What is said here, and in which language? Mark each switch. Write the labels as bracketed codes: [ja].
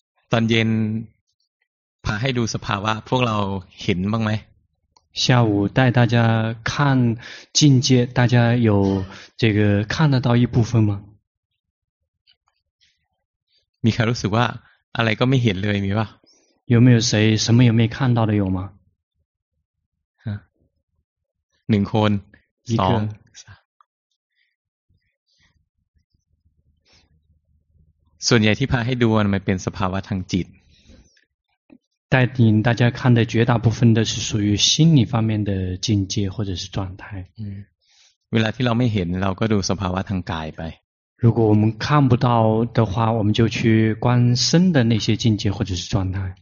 [th] ตอนเย็นพาให้ดูสภาวะพวกเราเห็นบ้างไหม [zh] 下午带大家看境界，大家有这个看得到一部分吗？ [th] มีใครรู้สึกว่าอะไรก็ไม่เห็นเลยมีป่ะ？ [zh] 有没有谁什么也没看到的有吗？ [th] หนึ่งคน สอง ส่วนใหญ่ที่พาให้ดูมันเป็นสภาวะทางจิต [zh] 带领大家看的绝大部分的是属于心理方面的境界或者是状态。 [th] 嗯，เวลาที่เราไม่เห็นเราก็ดูสภาวะทางกายไป。 [zh] 如果我们看不到的话，我们就去观身的那些境界或者是状态。